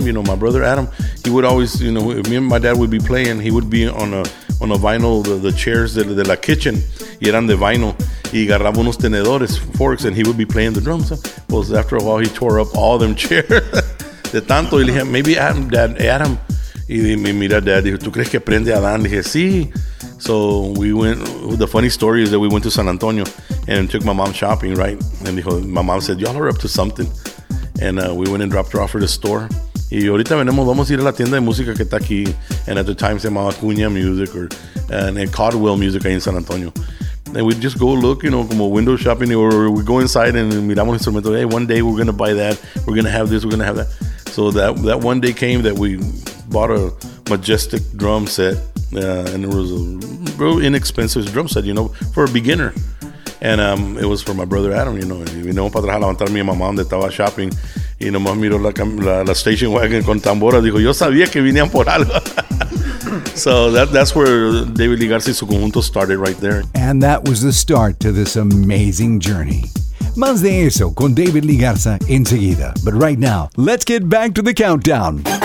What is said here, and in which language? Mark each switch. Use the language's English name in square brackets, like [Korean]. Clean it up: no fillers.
[English] You know, my brother Adam, he would always, you know, me and my dad would be playing. He would be on a vinyl, the chairs de la kitchen, [Spanish] y eran de [English] vinyl. [Spanish] Y agarraba unos tenedores, [English] forks, and he would be playing the drums. Well, after a while, he tore up all them chairs. [Spanish] De tanto, y le dije, [English] maybe [Spanish] Adam, dad, Adam. Y me mira [English] dad, [Spanish] dijo, ¿tú crees que aprende Adán? Dije, sí. [English] So we went, the funny story is that we went to San Antonio and took my mom shopping, right? And [Spanish] dijo, [English] my mom said, y'all are up to something. And we went and dropped her off at the store. [Spanish] Y ahorita venimos, vamos a ir a la tienda de música que está aquí. [English] And at the time, [Spanish] se llamaba [English] Cunha Music and Caldwell Music [Spanish] ahí en [English] San Antonio. And we just go look, you know, [Spanish] como [English] window shopping, or we go inside and [Spanish] miramos instrumentos. [English] Hey, one day we're going to buy that. We're going to have this. We're going to have that. So that one day came that we bought a Majestic drum set. And it was a real inexpensive drum set, you know, for a beginner. And it was for my brother Adam, you know. You know, [Spanish] para levantar mi mamá donde estaba [English] shopping. [Spanish] Y nomás miró la [English] station wagon [Spanish] con tambora. Dijo, yo sabía que venían por algo. [English] So that's where David Lee Garza [Spanish] y su conjunto [English] started right there. And that was the start to this amazing journey. [Spanish] Más de eso con David Lee Garza enseguida. [English] But right now, let's get back to the countdown.